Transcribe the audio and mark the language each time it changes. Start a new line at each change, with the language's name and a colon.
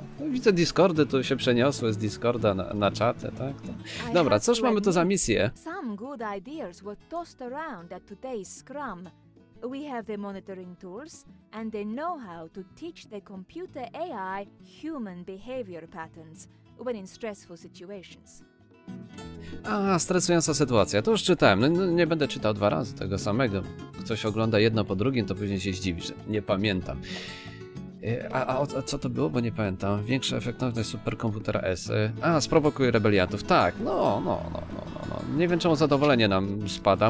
Polish: Widzę Discordy, tu się przeniosły z Discorda na czatę, tak? Dobra, cóż mamy tu za misję?
English: Some good ideas were tossed around at today's scrum. We have the monitoring tools and the know-how to teach the computer AI human behavior patterns when in stressful situations.
Polish: A, stresująca sytuacja. To już czytałem. No, nie będę czytał dwa razy tego samego. Ktoś ogląda jedno po drugim, to później się zdziwi, że nie pamiętam. A co to było? Bo nie pamiętam. Większa efektowność superkomputera S. Sprowokuje rebeliantów. Tak, no. Nie wiem, czemu zadowolenie nam spada.